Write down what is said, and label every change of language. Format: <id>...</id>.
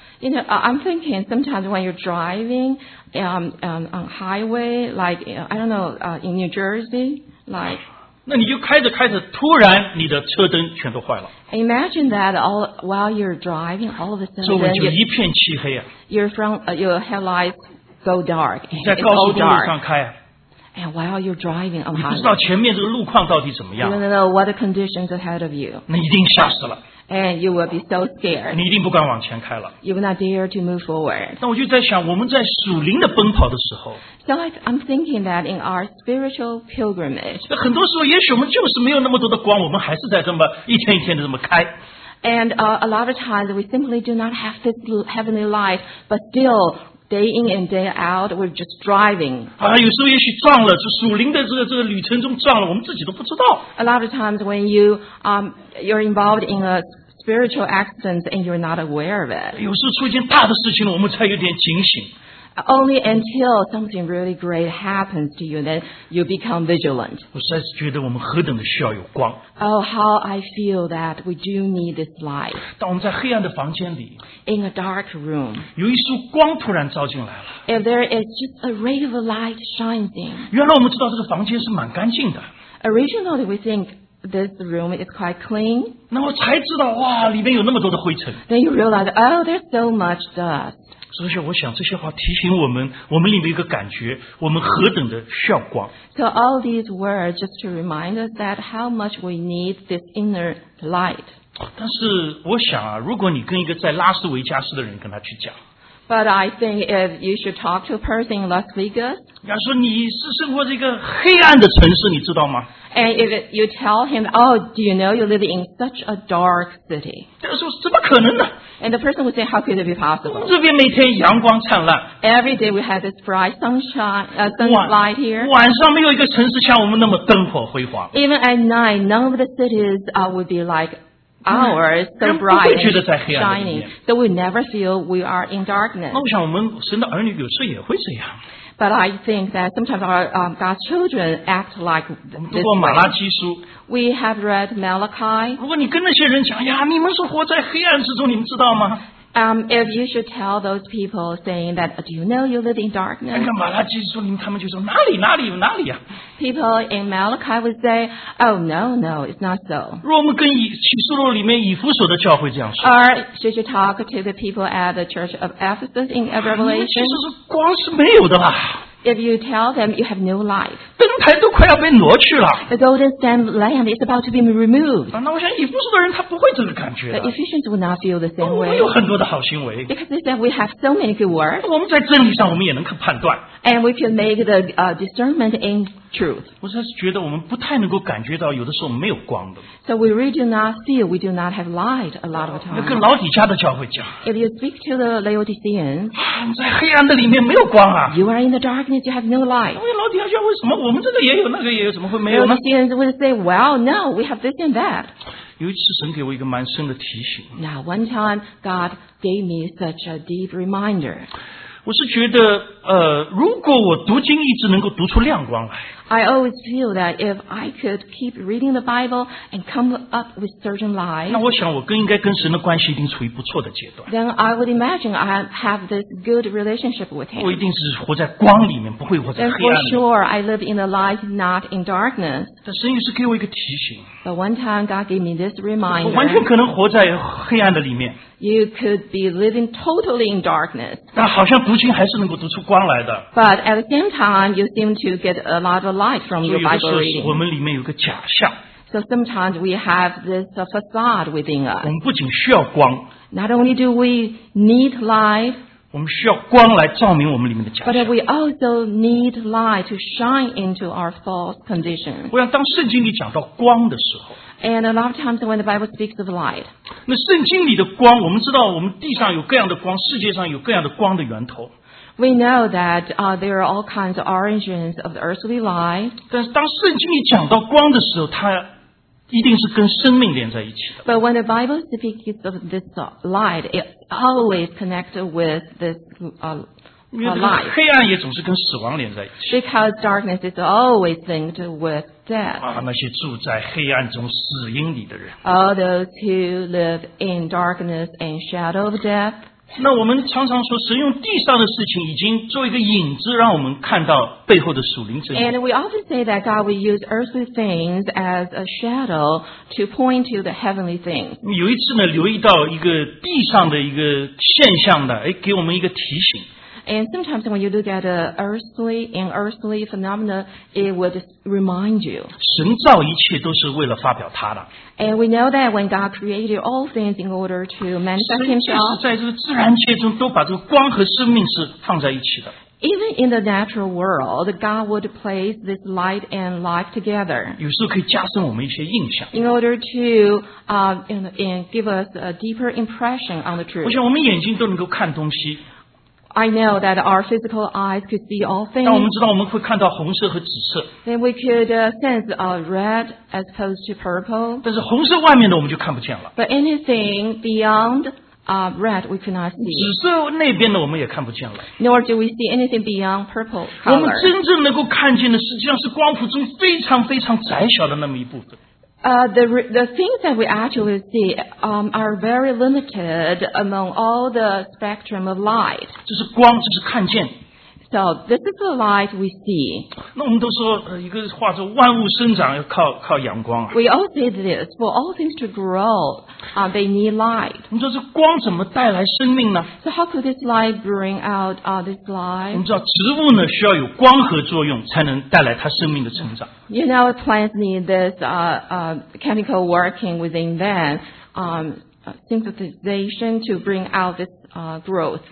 <en>You know, I'm thinking sometimes when you're driving on highway, like, you know, I don't know, in New Jersey, like...</en> <zh>那你就开着开着，突然你的车灯全都坏了。</zh> <en>Imagine that all while you're driving, all of a sudden...</en> <zh>周围就一片漆黑啊。</zh> <en>Your headlights go dark.</en> <zh>你在高速公路上开啊。</zh> <en>And while you're driving on highway...</en> <zh>你不知道前面这个路况到底怎么样。</zh> <en>You don't know what the conditions ahead of you.</en> <zh>那一定吓死了。</zh> <en>And you will be so scared.</en> <zh>你一定不敢往前开了。</zh> <en>You will not dare to move forward.</en> <zh>那我就在想，我们在属灵的奔跑的时候。</zh> <en>So I'm thinking that in our spiritual pilgrimage.</en> <zh>很多时候，也许我们就是没有那么多的光，我们还是在这么一天一天的这么开。</zh> <en>And a lot of times we simply do not have this heavenly light, but still, day in and day out, we're just driving.</en> <zh>啊，有时候也许撞了，就属灵的这个旅程中撞了，我们自己都不知道。</zh> <en>A lot of times when you're involved in a spiritual accident and you're not aware of it.</en> <zh>有时候出一件大的事情了，我们才有点警醒。</zh> <en>Only until something really great happens to you, then you become vigilant.</en> <zh>我实在是觉得我们何等的需要有光。</zh> <en>Oh, how I feel that we do need this light.</en> <zh>当我们在黑暗的房间里。</zh> <en>In a dark room.</en> <zh>有一束光突然照进来了。</zh> <en>If there is just a ray of light shining.</en> <zh>原来我们知道这个房间是蛮干净的。</zh> <en>Originally, we think this room is quite clean.</en> <zh>那我才知道，哇，里面有那么多的灰尘。</zh> <en>Then you realize, oh, there's so much dust.</en> <zh>所以我想这些话提醒我们，我们里面一个感觉，我们何等的需要光。</zh> <en>So all these words just to remind us that how much we need this inner light.</en> <zh>但是我想啊，如果你跟一个在拉斯维加斯的人跟他去讲。</zh> <en>But I think if you should talk to a person in Las Vegas.</en> <zh>他说你是生活在一个黑暗的城市，你知道吗？</zh> <en>And if you tell him, oh, do you know you live in such a dark city?</en> <zh>他说怎么可能呢？</zh> <en>And the person would say, how could it be possible?</en> <zh>这边每天阳光灿烂。</zh> <en>Every day we have this bright sunshine, sunlight here.</en> <zh>晚上没有一个城市像我们那么灯火辉煌。</zh> <en>Even at night, none of the cities would be like ours, so bright and shining. So we never feel we are in darkness.</en> <zh>那我想我们神的儿女有时也会这样。</zh> <en>But I think that sometimes our God's children act like this.</en> <zh>我们读过马拉基书。</zh> <en>We have read Malachi.</en> <zh>如果你跟那些人讲，呀，你们是活在黑暗之中，你们知道吗？</zh> <en>If you should tell those people saying that, do you know you live in darkness?</en> <zh>看看马拉基书里面，他们就说哪里哪里有哪里呀、啊。</zh> <en>People in Malachi would say, oh no no, it's not so.</en> <zh>若我们跟启示录里面以弗所的教会这样说。</zh> <en>Or should you talk to the people at the church of Ephesus in Revelation?</en> <zh>其实是光是没有的啦。</zh> <en>If you tell them you have no light,</en> <zh>灯台都快要被挪去了。</zh> <en>The golden stand lamp is about to be removed.</en> <zh>那我想以弗所的人他不会这个感觉的。</zh> <en>The Ephesians would not feel the same way.</en> <zh>我们有很多的好行为。</zh> <en>Because they said we have so many good works.</en> <zh>我们在真理上我们也能够判断。</zh> <en>And we can make the discernment in truth.</en> <zh>我实在是觉得我们不太能够感觉到有的时候没有光的。</zh> <en>So we really do not feel we do not have light a lot of time.</en> <zh>要跟老底家的教会讲。</zh> <en>If you speak to the Laodiceans,</en> <zh>在黑暗的里面没有光啊。</zh> <en>You are in the darkness. You have no light.</en> <zh>老底下说为什么我们这个也有那个也有怎么会没有呢？有些人会</zh> <en>say, "Well, no, we have this and that."</en> <zh>有一次神给我一个蛮深的提醒。</zh> <en>Now, one time, God gave me such a deep reminder.</en> <zh>我是觉得如果我读经一直能够读出亮光来。</zh> <en>I always feel that if I could keep reading the Bible and come up with certain light,</en> <zh>那我想我更应该跟神的关系一定处于不错的阶段。</zh> <en>Then I would imagine I have this good relationship with him.</en> <zh>我一定是活在光里面，不会活在黑暗里。</zh> <en>Then for sure I live in the light, not in darkness.</en> <zh>但神也是给我一个提醒。</zh> <en>But one time God gave me this reminder.</en> <zh>我完全可能活在黑暗的里面。</zh> <en>You could be living totally in darkness.</en> <zh>但好像读经还是能够读出光来的。</zh> <en>But at the same time, you seem to get a lot of light from your Bible reading.</en> <zh>所以有的时候我们里面有个假象。</zh> <en>So sometimes we have this facade within us.</en> <zh>我们不仅需要光。</zh> <en>Not only do we need light.</en> <zh>我们需要光来照明我们里面的假象。</zh> <en>But we also need light to shine into our false condition.</en> <zh>我想当圣经里讲到光的时候。</zh> <en>And a lot of times when the Bible speaks of light.</en> <zh>那圣经里的光，我们知道我们地上有各样的光，世界上有各样的光的源头。</zh> <en>We know that there are all kinds of origins of the earthly light.</en> <zh>但是当圣经里讲到光的时候，它一定是跟生命连在一起的。</zh> <en>But when the Bible speaks of this light, it always connects with this light.</en> <zh>黑暗也总是跟死亡连在一起。</zh> <en>Because darkness is always linked with death.</en> <zh>啊，那些住在黑暗中死荫里的人。</zh> <en>All those who live in darkness and shadow of death.</en> <zh>那我们常常说神用地上的事情已经做一个影子让我们看到背后的属灵真理。</zh> <en>And we often say that God will use earthly things as a shadow to point to the heavenly things.</en> <zh>有一次呢留意到一个地上的一个现象的给我们一个提醒。</zh> <en>And sometimes when you look at an earthly phenomena, it would remind you.</en> <zh>神造一切都是为了发表他的。</zh> <en>And we know that when God created all things in order to manifest himself,</en> <zh>神就是在这个自然界中都把这个光和生命是放在一起的。</zh> <en>Even in the natural world, God would place this light and life together.</en> <zh>有时候可以加深我们一些印象。</zh> <en>In order to give us a deeper impression on the truth.</en> <zh>我想我们眼睛都能够看东西。</zh> <en>I know that our physical eyes could see all things.</en> <zh>但我们知道我们会看到红色和紫色。</zh> <en>Then we could sense a red as opposed to purple.</en> <zh>但是红色外面的我们就看不见了。</zh> <en>But anything beyond red we could not see.</en> <zh>紫色那边的我们也看不见了。</zh> <en>Nor do we see anything beyond purple color.</en> <zh>我们真正能够看见的实际上是光谱中非常非常窄小的那么一部分。</zh> <en>The things that we actually see are very limited among all the spectrum of light.</en> <zh>这是光，这是看见。</zh> <en>So this is the light we see.</en> <zh>那我们都说一个话说万物生长要靠阳光啊。</zh> <en>We all say this for all things to grow, they need light.</en> <zh>我们说这光怎么带来生命呢</zh> <en>？So how could this light bring out this life?</en> <zh>我们知道植物呢需要有光合作用才能带来它生命的成长。</zh> <en>You know, plants need this chemical working within them, synthesization to bring out this growth.</en>